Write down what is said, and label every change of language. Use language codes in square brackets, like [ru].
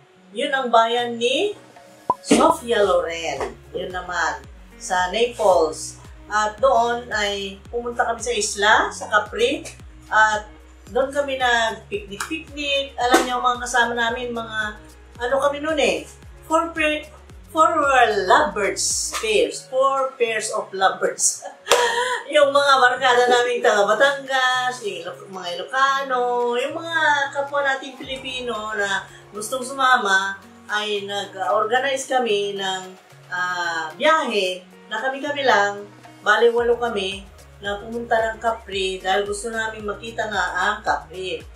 [tl] Yun ang bayan ni Sofia Loren. Yun naman, sa Naples. At doon ay pumunta kami sa isla, sa Capri. At doon kami nag-picnic-picnic. Alam niyo, mga kasama namin, mga ano kami noon eh? [en] Four lovebirds pairs. Four pairs of lovebirds. [tl] Yung mga barkada namin taga Batangas, mga Ilocano, yung mga kapwa natin Pilipino na gustong sumama, ay nag-organize kami ng biyahe na kami-kami lang. Bale, walo kami na pumunta ng Capri dahil gusto namin makita nga ang Capri.